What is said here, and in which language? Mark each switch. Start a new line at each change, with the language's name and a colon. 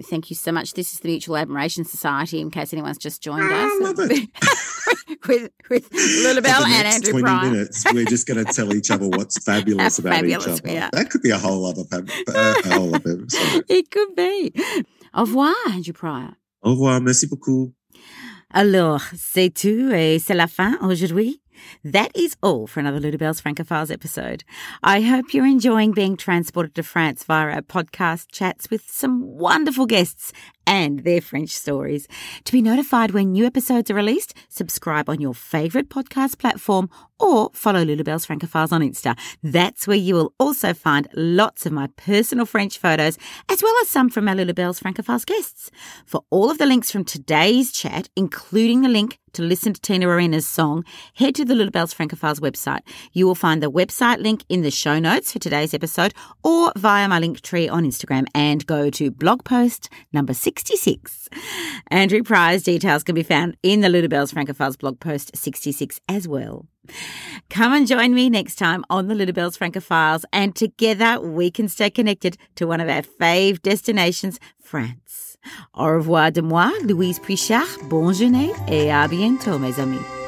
English: Thank you so much. This is the Mutual Admiration Society, in case anyone's just joined us. I love it. with Lulabelle and Andrew Pryor. 20 minutes, we're just going to tell each other what's fabulous about each other. That could be a whole other episode. It could be.
French: Au revoir,
English: Andrew Pryor.
French: Au revoir. Merci beaucoup. Alors, c'est tout et c'est la fin aujourd'hui.
English: That is all for another Lulabelle's Francophiles episode. I hope you're enjoying being transported to France via our podcast chats with some wonderful guests and their French stories. To be notified when new episodes are released, subscribe on your favourite podcast platform or follow Lulabelle's Francophiles on Insta. That's where you will also find lots of my personal French photos, as well as some from our Lulabelle's Francophiles guests. For all of the links from today's chat, including the link to listen to Tina Arena's song, head to the Lulabelle's Francophiles website. You will find the website link in the show notes for today's episode or via my link tree on Instagram and go to blog post number 66. Andrew Pryor's details can be found in the Lulabelle's Francophiles blog post 66 as well. Come and join me next time on the Lulabelle's Francophiles, and together we can stay connected to one of our fave destinations, France.
French: Au revoir de moi, Louise Prichard. Bonne journée et à bientôt, mes amis.